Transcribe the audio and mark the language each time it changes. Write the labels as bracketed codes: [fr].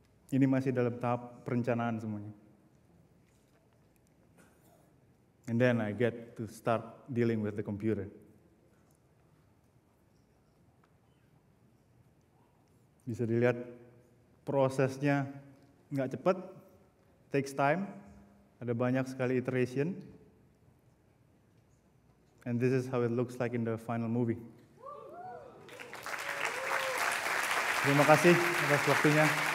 [id] Ini masih dalam tahap perencanaan semuanya. [en] And then I get to start dealing with the computer. [id] Bisa dilihat prosesnya nggak cepat, [en] takes time, [id] ada banyak sekali iteration. [en] And this is how it looks like in the final movie. [id] Terima kasih atas waktunya.